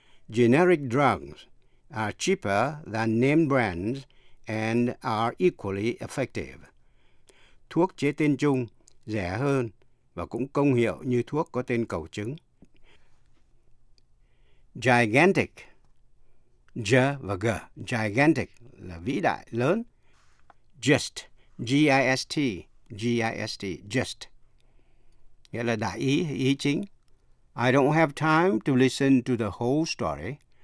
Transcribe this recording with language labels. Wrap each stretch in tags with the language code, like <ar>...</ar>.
<en>Generic drugs are cheaper than name brands and are equally effective.</en> <vi>Thuốc chế tên chung rẻ hơn và cũng công hiệu như thuốc có tên cầu chứng. Gigantic, J và G, gigantic là vĩ đại, lớn. Gist, G-I-S-T, G-I-S-T, gist, nghĩa là đại ý, ý chính.</vi> <en>I don't have time to listen to the whole story.</en>